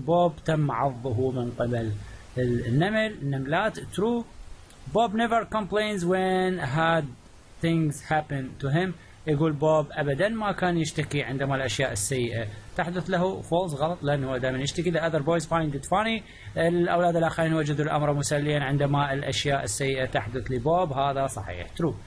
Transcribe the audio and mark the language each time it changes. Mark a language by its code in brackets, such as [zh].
[ar] Bob تم عضه من قبل النمل النملات. [en] True. Bob never complains when had things happen to him. [ar] يقول بوب ابدا ما كان يشتكي عندما الاشياء السيئه تحدث له. فولز غلط لانه دائما يشتكي. [en] The other boys find it funny. [ar] الاولاد الاخرين وجدوا الامر مسليا عندما الاشياء السيئه تحدث لبوب. هذا صحيح. True.